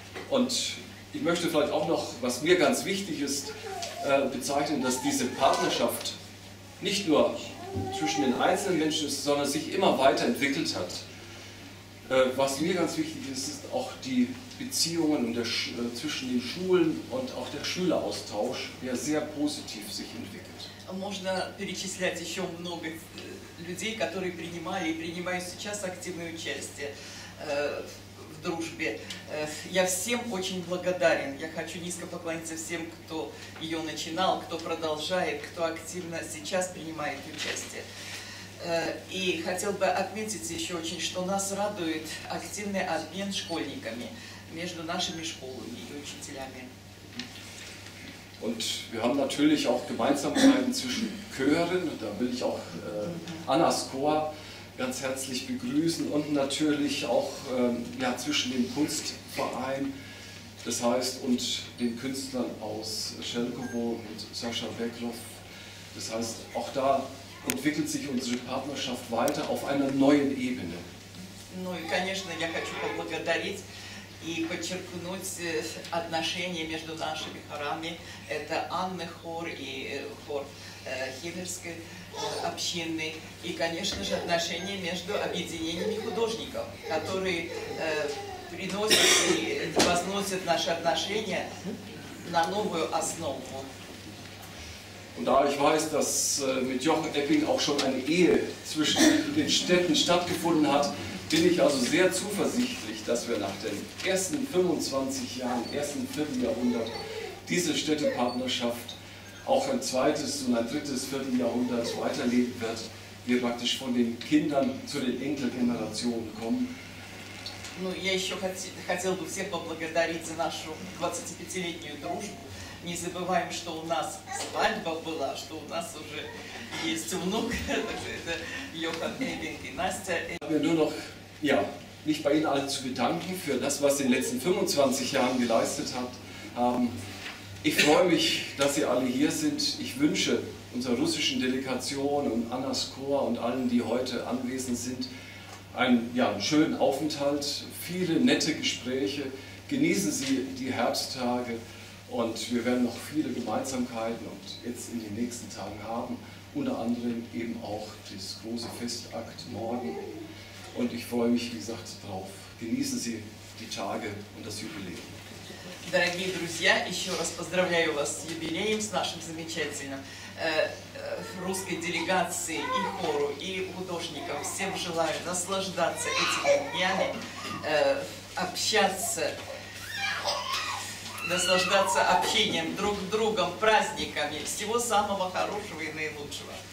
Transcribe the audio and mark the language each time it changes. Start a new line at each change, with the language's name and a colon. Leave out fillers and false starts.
German: Und ich möchte vielleicht auch noch, was mir ganz wichtig ist, bezeichnen, dass diese Partnerschaft nicht nur zwischen den einzelnen Menschen ist, sondern sich immer weiterentwickelt hat. Was mir ganz wichtig ist, ist auch die Beziehungen und der zwischen den Schulen und auch der Schüleraustausch, der sehr positiv sich entwickelt.
Russian: Можно перечислять еще много людей, которые принимали и принимают сейчас активное участие в дружбе. Я всем очень благодарен. Я хочу низко поклониться всем, кто ее начинал, кто продолжает, кто активно сейчас принимает участие. И хотел бы отметить еще очень, что нас радует активный обмен школьниками между нашими школами и учителями.
German: Und wir haben natürlich auch Gemeinsamkeiten zwischen Chören, da will ich auch Annas Chor ganz herzlich begrüßen und natürlich auch ja, zwischen dem Kunstverein, das heißt, und den Künstlern aus Chelkovo und Sascha Berglow. Das heißt, auch da entwickelt sich unsere Partnerschaft weiter auf einer neuen Ebene.
Russian: Ну и, конечно, я хочу поблагодарить и подчеркнуть отношения между нашими хорами. Это Анны хор и хор Химерской общины. И, конечно же, отношения между объединениями художников, которые приносят и возносят наши отношения на новую основу.
German: Und da ich weiß, dass mit Jochen Epping auch schon eine Ehe zwischen den Städten stattgefunden hat, bin ich also sehr zuversichtlich, dass wir nach den ersten 25 Jahren, ersten Vierteljahrhundert, diese Städtepartnerschaft auch ein zweites und ein drittes Vierteljahrhundert weiterleben wird, wir praktisch von den Kindern zu den Enkelgenerationen kommen.
Russian: Ну, я еще хотел бы всех поблагодарить за нашу 25-летнюю дружбу. Не забываем, что у нас свадьба была, что у нас уже есть внук, это Йохан Эббинг и Настя. Я бы
German: nur noch, ja, mich bei Ihnen allen zu bedanken für das, was Sie in den letzten 25 Jahren geleistet haben. Ich freue mich, dass Sie alle hier sind. Ich wünsche unserer russischen Delegation und Annas Chor und allen, die heute anwesend sind, einen, ja, einen schönen Aufenthalt, viele nette Gespräche. Genießen Sie die Herbsttage. Und wir werden noch viele Gemeinsamkeiten und jetzt in den nächsten Tagen haben, unter anderem eben auch das große Festakt morgen. Und ich freue mich, wie gesagt, drauf. Genießen Sie die Tage und das Jubiläum.
Russian: Дорогие друзья, еще раз поздравляю вас с юбилеем, с нашим замечательным русской делегацией и хору, и художникам. Всем желаю наслаждаться этими днями. общаться, наслаждаться общением друг с другом, праздниками, всего самого хорошего и наилучшего.